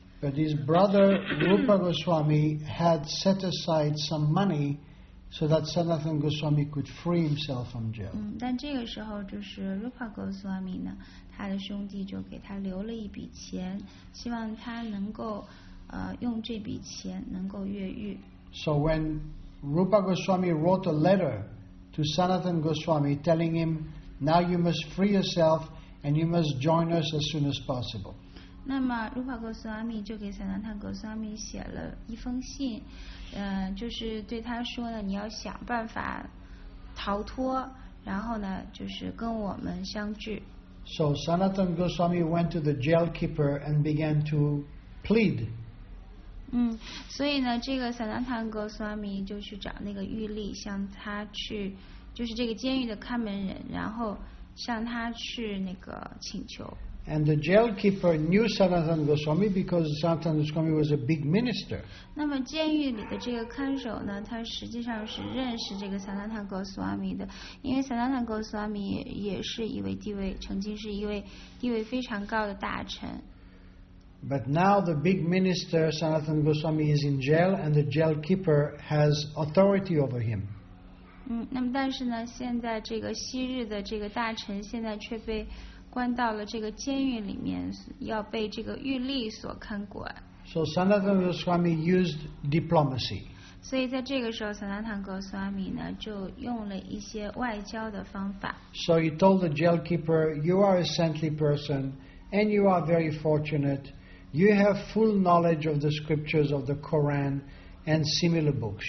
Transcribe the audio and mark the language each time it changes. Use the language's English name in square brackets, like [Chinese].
[English] But his brother Rupa Goswami had set aside some money so that Sanatan Goswami could free himself from jail. [Chinese] 但这个时候就是 Rupa Goswami 呢，他的兄弟就给他留了一笔钱，希望他能够用这笔钱能够越狱。 [English] So when Rupa Goswami wrote a letter to Sanatan Goswami telling him, now you must free yourself and you must join us as soon as possible. [Chinese] 那么如法格苏阿米就给萨南坦格苏阿米写了一封信，就是对他说呢，你要想办法逃脱，然后呢就是跟我们相聚。 [English] So Sanatan Goswami went to the jail keeper and began to plead. [Chinese] 所以呢这个萨南坦格苏阿米就去找那个狱吏，向他去，就是这个监狱的看门人，然后向他去那个请求。 [English] And the jail keeper knew Sanatan Goswami because Sanatan Goswami was a big minister. [Chinese] 那么监狱里的这个看守呢，他实际上是认识这个 Sanatan Goswami 的，因为 Sanatan Goswami 也是一位地位，曾经是一位地位非常高的大臣。 [English] But now the big minister Sanatan Goswami is in jail, and the jail keeper has authority over him. [Chinese] 那么但是呢，现在这个昔日的这个大臣现在却被关到了这个监狱里面，要被这个狱吏所看管。 [English] So Sanatan Goswami used diplomacy. [Chinese] 所以在这个时候，萨那坦格苏阿米呢就用了一些外交的方法。 [English] So he told the jail keeper, "You are a saintly person, and you are very fortunate. You have full knowledge of the scriptures of the Quran and similar books.